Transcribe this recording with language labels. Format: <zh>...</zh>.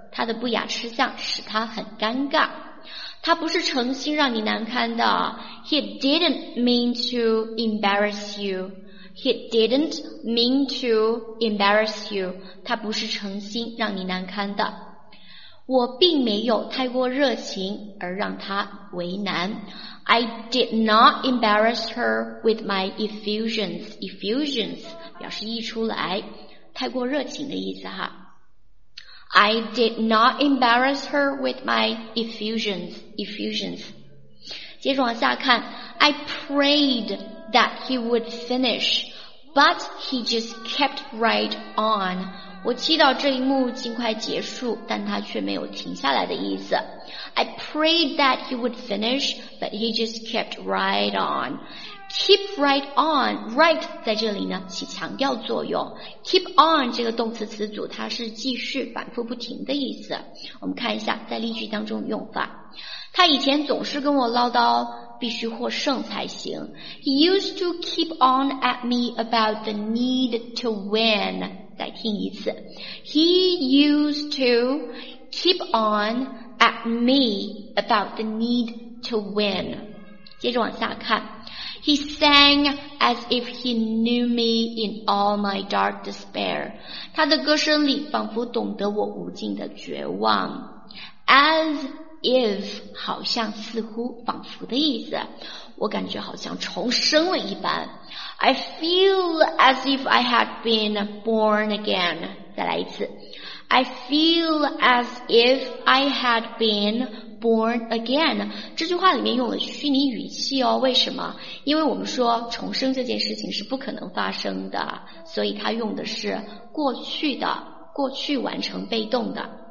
<zh>他的不雅吃相使他很尴尬。他不是诚心让你难堪的。</zh> <en>He didn't mean to embarrass you. He didn't mean to embarrass you.</en> <zh>他不是诚心让你难堪的。我并没有太过热情而让他为难。</zh> <en>I did not embarrass her with my effusions.</en> <zh>Effusions 表示溢出来，太过热情的意思哈。</zh> <en>I did not embarrass her with my effusions. Effusions.</en> <zh>接着往下看，</zh> <en>I prayed that he would finish, but he just kept right on.</en> <zh>我祈祷这一幕尽快结束，但他却没有停下来的意思。</zh> <en>I prayed that he would finish, but he just kept right on. Keep right on.</en> <zh>Right 在这里呢起强调作用， Keep on 这个动词词组它是继续反复不停的意思。我们看一下在例句当中用法，他以前总是跟我唠叨必须获胜才行。</zh> <en>He used to keep on at me about the need to win.</en> <zh>再听一次，</zh> <en>He used to keep on at me about the need to win.</en> <zh>接着往下看，</zh> <en>He sang as if he knew me in all my dark despair.</en> <zh>他的歌声里仿佛懂得我无尽的绝望。 As if 好像似乎仿佛的意思，我感觉好像重生了一般。</zh> <en>I feel as if I had been born again.</en> <zh>再来一次，</zh> <en>I feel as if I had been born again.</en> <zh>这句话里面用了虚拟语气哦，为什么？因为我们说重生这件事情是不可能发生的，所以它用的是过去的，过去完成被动的。</zh>